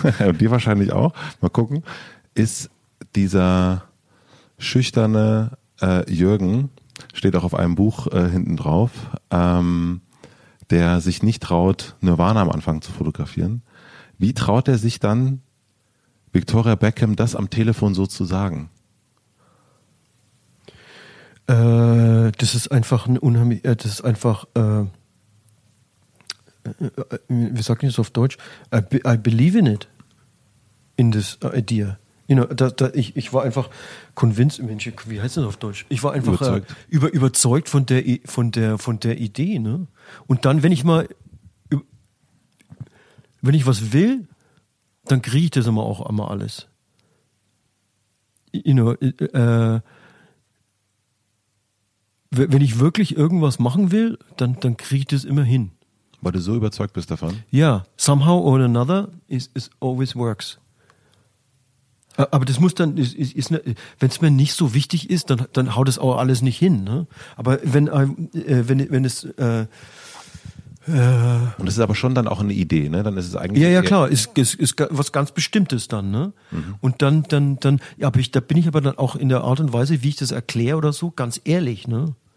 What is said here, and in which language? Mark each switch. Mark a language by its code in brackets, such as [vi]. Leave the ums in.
[de] Und dir wahrscheinlich auch, mal gucken, ist dieser schüchterne äh, Jürgen, steht auch auf einem Buch äh, hinten drauf, ähm, der sich nicht traut, Nirvana am Anfang zu fotografieren. Wie traut er sich dann, Victoria Beckham das am Telefon so zu sagen? Äh, das ist einfach ein unheimlich, äh, das ist einfach, äh, äh, äh, wie sagt man das auf Deutsch? [en] I, be, I believe in it, in this idea. You know, [de] da, da, ich, ich war einfach [en] convinced, [de] Mensch, wie heißt das auf Deutsch? Ich war einfach Überzeugt. Äh, über, überzeugt von der, I- von der, von der Idee. Ne? Und dann, wenn ich mal, üb- wenn ich was will, dann kriege ich das immer auch immer alles. [en] You know, [de] äh, W- wenn ich wirklich irgendwas machen will, dann, dann kriege ich das immer hin. Weil du so überzeugt bist davon. [en] Ja, somehow or another, it, it always works. [de] A- Aber das muss dann, ist, ist, ist wenn es mir nicht so wichtig ist, dann, dann haut es auch alles nicht hin. Ne? Aber wenn, ähm, äh, wenn, wenn es, äh, Und das ist aber schon dann auch eine Idee, ne? Dann ist es eigentlich. ja, ja, eher- klar, ist, ist, ist ga- was ganz Bestimmtes dann. Ne? Und dann, dann, dann, ja, aber ich, da bin ich aber dann auch in der Art und Weise, wie ich das erkläre oder so, ganz ehrlich. Ne?